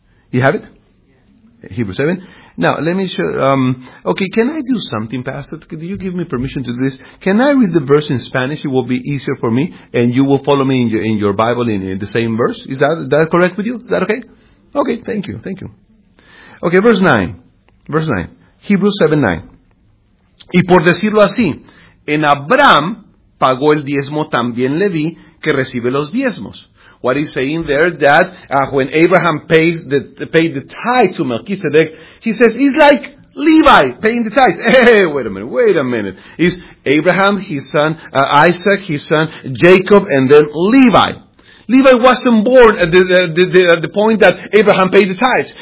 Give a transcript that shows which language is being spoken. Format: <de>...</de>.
<en>You have it? Hebrews 7. Now, let me show. Okay, can I do something, Pastor? Could you give me permission to do this? Can I read the verse in Spanish? It will be easier for me, and you will follow me in your Bible in the same verse. Is that correct with you? Is that okay? Okay, thank you. Thank you. Okay, verse 9. Verse 9, Hebrews 7, 9.</en> <es>Y por decirlo así, en Abraham pagó el diezmo también Leví, que recibe los diezmos.</es> <en>What he's saying there, that when Abraham paid the tithe to Melchizedek, he says, it's like Levi paying the tithes. Hey, wait a minute. It's Abraham, his son Isaac, his son Jacob, and then Levi. Levi wasn't born at the point that Abraham paid the tithes.</en>